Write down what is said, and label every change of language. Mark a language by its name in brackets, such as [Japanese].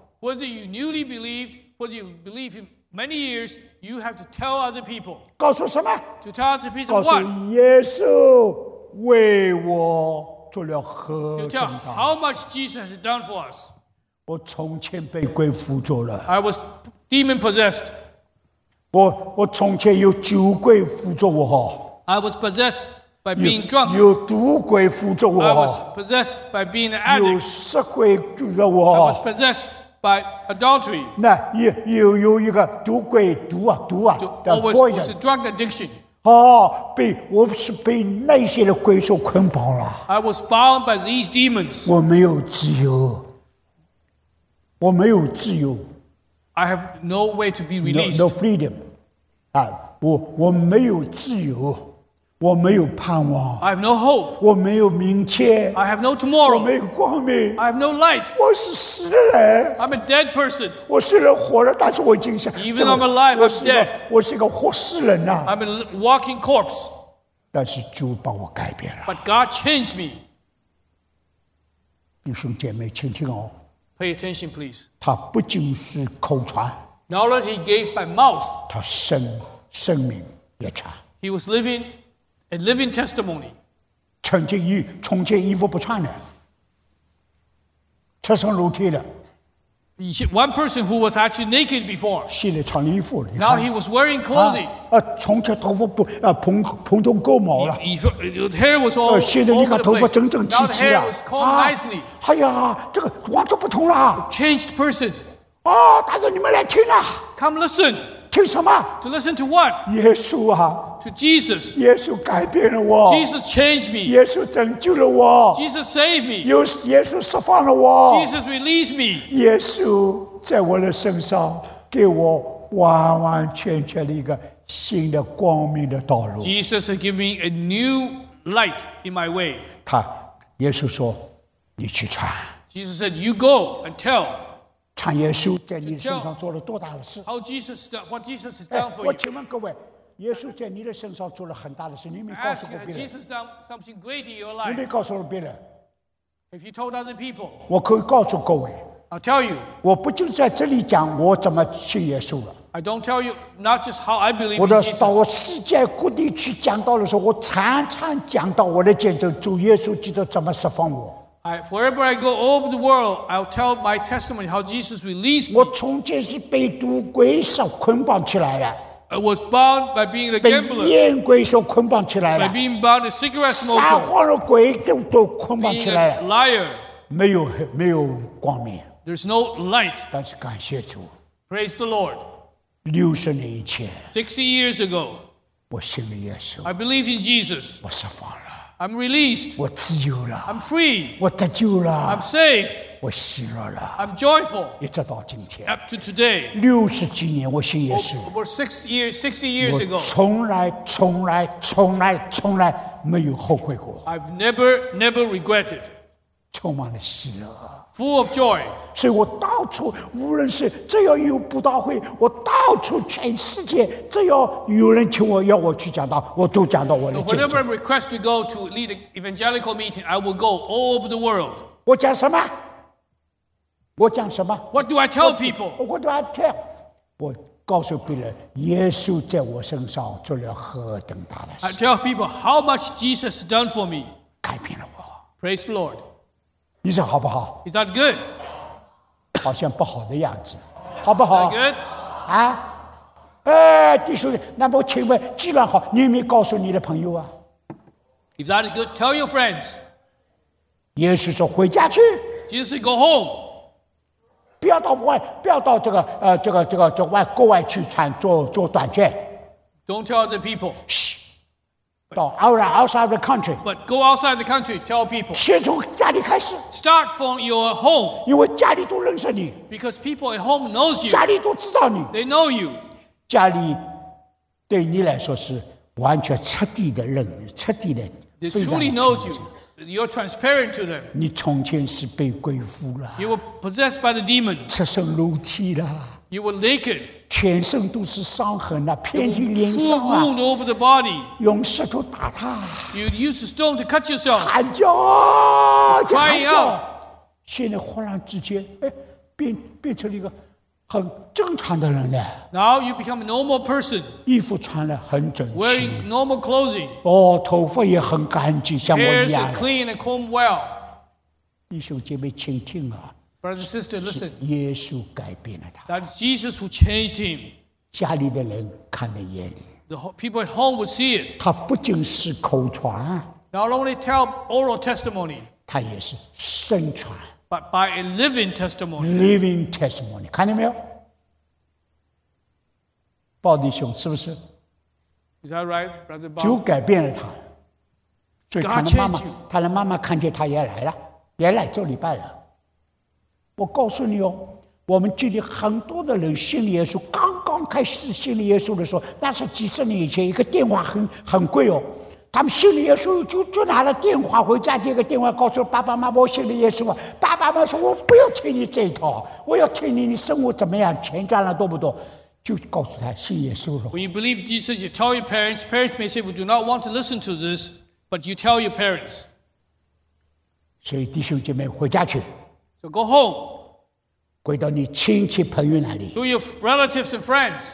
[English] Whether you newly believed, whether you believe in many years, you have to tell other people. [Chinese] 告诉什么？ [English] To tell other people what? [Chinese] 告诉耶稣为我做了何等大事。 [English] You tell how much Jesus has done for us. [Chinese] 我从前被鬼附着了。 [English] I was demon possessed. [Chinese] 我从前有酒鬼附着我。 [English] I was possessed by being drunk. [Chinese] 有毒鬼附着我。 [English] I was possessed by being an addict. [Chinese] 有色鬼附着我。 [English] I was possessed. By adultery. [Chinese] 那有一个赌鬼毒啊的过瘾。 [English] Was a drug addiction. [Chinese] 哦，我是被那些的鬼所捆绑了。 [English] I was bound by these demons. [Chinese] 我没有自由，我没有自由。 [English] I have no way to be released. No freedom. [Chinese] 啊，我没有自由。我没有盼望。 [English] I have no hope. [Chinese] 我没有明天。 [English] I have no tomorrow. [Chinese] 我没有光明。 [English] I have no light. [Chinese] 我是死的人。 [English] I'm a dead person. [Chinese] 我虽然活了，但是我已经死了。 [English] Even I'm alive, I'm dead. [Chinese] 我是一个活死人啊。 [English] I'm a walking corpse. [Chinese] 但是主把我改变了。 [English] But God changed me. [Chinese] 弟兄姐妹，请听哦。 [English] Pay attention, please. [Chinese] 他不仅是口传。 [English] Knowledge he gave by mouth. [Chinese] 他生命也传。 [English] He was living. A living testimony. [Chinese] 从前衣服不穿的，赤身露体的。 [English] One person who was actually naked before. [Chinese] 现在穿了衣服了。 [English] Now he was wearing clothing. [Chinese] 从前头发不蓬头垢毛了。 [English] His hair was all. [Chinese] 现在你看头发整整齐齐了。 [English] Now the hair was combed nicely. [Chinese] 哎呀，这个完全不同了。 [English] Changed person. [Chinese] 哦，大哥，你们来听了。 [English] Come listen. [Chinese] 听什么？ [English] To listen to what? [Chinese] 耶稣啊。 [English] To Jesus. [Chinese] 耶稣改变了我。 [English] Jesus changed me. [Chinese] 耶稣拯救了我。 [English] Jesus saved me. [Chinese] 耶稣释放了我。 [English] Jesus released me. [Chinese] 耶稣在我的身上给我完完全全的一个新的光明的道路。 [English] Jesus has given me a new light in my way. [Chinese] 耶稣说，你去传。 [English] Jesus said, you go and tell. [Chinese] 传耶稣在你身上做了多大的事 [English] ？How Jesus done? What Jesus has done for you? [Chinese] 我请问各位，耶稣在你的身上做了很大的事，你没告诉过别人 [English] ？Jesus done something great in your life. [Chinese] 你没告诉过别人 [English] ？If you told other people, [Chinese] 我可以告诉各位 [English] ，I'll tell you. [Chinese] 我不就在这里讲我怎么信耶稣了 [English] ？I don't tell you not just how I believe. [Chinese] 我到世界各地去讲道的时候，我常常讲到我的见证，主耶稣基督怎么释放我。 [English] Wherever I go all over the world, I'll tell my testimony how Jesus released me. [Chinese] 我从前是被赌鬼所捆绑起来的。 [English] I was bound by being a gambler. [Chinese] 被烟鬼所捆绑起来的。 [English] By being bound a cigarette smoker. [Chinese] 撒谎的鬼都捆绑起来了。 [English] Being a liar. [Chinese] 没有光明。 [English] There's no light. [Chinese] 但是感谢主。 [English] Praise the Lord. [Chinese] 六十年以前。 [English] 60 years ago. [Chinese] 我信了耶稣。 [English] I believed in Jesus. [Chinese] 我释放了。 [English] I'm released. [Chinese] 我自由了。 [English] I'm free. [Chinese] 我得救了。 [English] I'm saved. [Chinese] 我喜乐了。 [English] I'm joyful. [Chinese] 一直到今天。 [English] Up to today. [Chinese] 六十几年我信耶稣。 [English] Over 60 years ago. [Chinese] 我从来没有后悔过。 [English] I've never regretted. [Chinese] 充满了喜乐。 [English] Full of joy. [Chinese] 所以我到处，无论是只要有布道会，我到处全世界，只要有人请我，要我去讲道，我都讲到我的见证。 [English] Whenever I'm requested to go to lead an evangelical meeting, I will go all over the world. [Chinese] 我讲什么？我讲什么 [English] ？What do I tell people? What do I tell? [Chinese] 我告诉别人，耶稣在我身上做了何等大的事。 [English] I tell people how much Jesus has done for me. [Chinese] 改变了我。 [English] Praise the Lord. [Chinese] 你说好不好 [English] ？Is that good？ [Chinese] 好像不好的样子，好不好 [English] ？Is that good？ [Chinese] 啊，哎，弟兄，那么请问，既然好，你有没有告诉你的朋友啊 [English] ？Is that good？ Tell your friends。 [Chinese] 耶稣说：“回家去。” [English] Jesus said, "Go home." [Chinese] 不要到外，不要到这个这个外国外去传做短卷。 [English] Don't tell other people。 [Chinese] 到 [English] outside of the country. But go outside the country, tell people. [Chinese] 先从家里开始。 [English] Start from your home. [Chinese] 因为家里都认识你。 [English] Because people at home knows you. [Chinese] 家里都知道你。 [English] They know you. [Chinese] 家里对你来说是完全彻底的认识，彻底的 [English] They truly know you. You're transparent to them. [Chinese] 你从前是被鬼附了。 [English] You were possessed by the demon. [Chinese] 赤身露体了。 [English] You were naked. [Chinese] 全身都是伤痕了，遍体鳞伤啊。 [English] You were wounded over the body. [Chinese] 用石头打他。 [English] You used a stone to cut yourself. [Chinese] 喊叫啊！就喊叫。 [English] Crying out. [Chinese] 现在忽然之间，变成了一个。很正常的人呢。 [English] Now you become a normal person. [Chinese] 衣服穿得很整齐。 [English] Wearing normal clothing. [Chinese] 哦，头发也很干净，像我一样。 [English] Hair is clean and combed well. [Chinese] 弟兄姐妹，请听啊。 [English] Brother, sister, listen. [Chinese] 是耶稣改变了他。 [English] That's Jesus who changed him. [Chinese] 家里的人看在眼里。 [English] The people at home would see it. [Chinese] 他不仅是口传。 [English] Not only tell oral testimony. [Chinese] 他也是身传。 [English] But by a living testimony. Living testimony. [Chinese] 看见没有？鲍弟兄，是不是？ [English] Is that right, Brother Bob? [Chinese] 主改变了他，所以他的妈妈，他的妈妈看见他也来了，也来做礼拜了。我告诉你哦，我们这里很多的人信耶稣，刚刚开始信耶稣的时候，那是几十年以前，一个电话很贵哦。他们信了耶稣就拿了电话回家，接个电话告诉爸爸妈妈我信了耶稣啊。爸爸妈妈说我不要听你这一套，我要听你生活怎么样，钱赚了多不多，就告诉他信耶稣了。 [English] When you believe Jesus, you tell your parents. Parents may say, we do not want to listen to this, but you tell your parents. [Chinese] 所以弟兄姐妹回家去。 [English] So go home. [Chinese] 回到你亲戚朋友那里。 [English] To your relatives and friends.